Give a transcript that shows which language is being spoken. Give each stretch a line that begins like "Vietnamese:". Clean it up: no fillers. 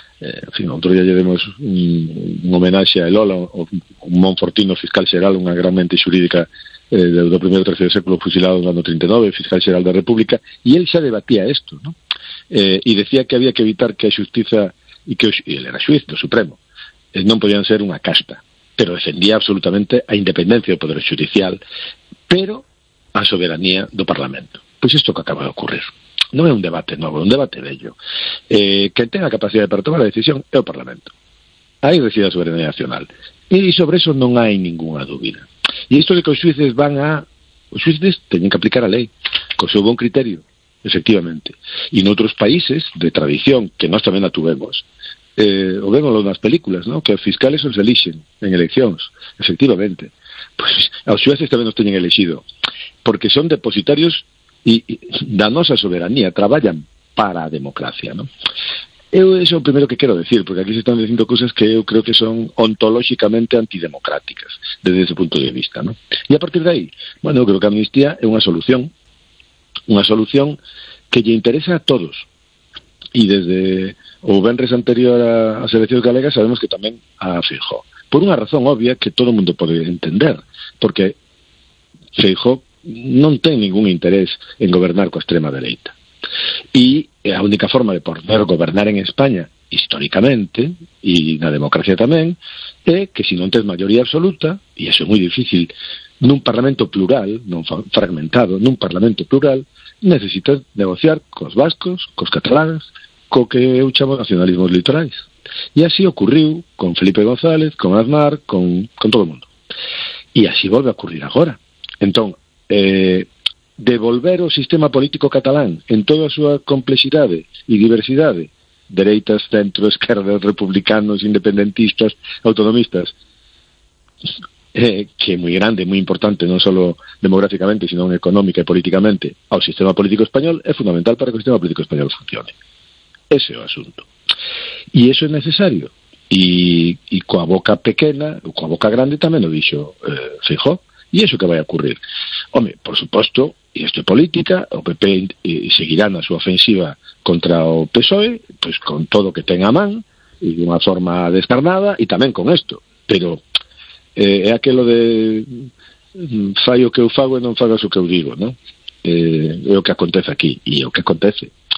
Spanish: en fin, otro día llevemos un homenaje a Elola, un monfortino fiscal general, una gran mente jurídica del primer o tercer século, fusilado en el año 39, fiscal general de la República, y él ya debatía esto, ¿no? Y decía que había que evitar que la justicia, y él era juez, lo supremo, no podían ser una casta, pero defendía absolutamente a independencia del poder judicial, pero a soberanía del Parlamento. Pues esto que acaba de ocurrir.
Galician: Non é un debate novo, é un debate bello. Que tenga capacidade para tomar a decisión é o Parlamento. Aí reside a soberanía nacional. E sobre eso non hai ninguna dúbida. E isto de que os xuíces teñen que aplicar a lei, con seu bon criterio, efectivamente. E noutros países de tradición, que nós tamén a tuvemos,
Spanish: o vemos en las películas, ¿no? Que los fiscales os eligen en elecciones, efectivamente. Pues los jueces también nos tienen elegido, porque son depositarios y
Galician: danos a soberanía,
Spanish: trabajan para a democracia, ¿no?
Galician: Eu, eso é o primeiro que quero decir, porque aquí se están dicindo cousas que eu creo que son ontolóxicamente antidemocráticas, desde ese punto de vista, ¿no? E a partir de aí, bueno, eu creo que a amnistía é unha solución que lle interesa a todos. E desde o venres anterior a Selección Galega sabemos que tamén a Feijó. Por unha razón obvia que todo mundo pode entender, porque Feijó non ten ningún interés en gobernar coa extrema dereita.
Spanish: Y la única forma de poder gobernar en España, históricamente, y en la democracia también, es que si no tienes mayoría absoluta, y eso es muy difícil, en un parlamento plural, no fragmentado, en un parlamento plural, necesitas negociar con los vascos, con los catalanes, con que yo llamo nacionalismos litorales. Y así ocurrió con Felipe González, con Aznar, con todo el mundo. Y así vuelve a ocurrir ahora.
Galician: Entonces, devolver o sistema político catalán en toda a súa complexidade e diversidade, dereitas, centro, esquerda, republicanos, independentistas, autonomistas, que é moi grande, moi importante, non só demográficamente, sino económica e políticamente, ao sistema político español, é fundamental para que o sistema político español funcione. Ese é o asunto. E iso é necesario. E coa boca pequena, ou coa boca grande, tamén o dixo Feijó. E iso que vai ocurrir? Home, por suposto, e isto é política, o PP seguirá na súa ofensiva contra o PSOE, pois con todo o que ten a man, e de unha forma descarnada, e tamén con isto. Pero é aquilo de fai o que eu fago e non fagas o que eu digo, non? É o que acontece aquí, e é o que acontece.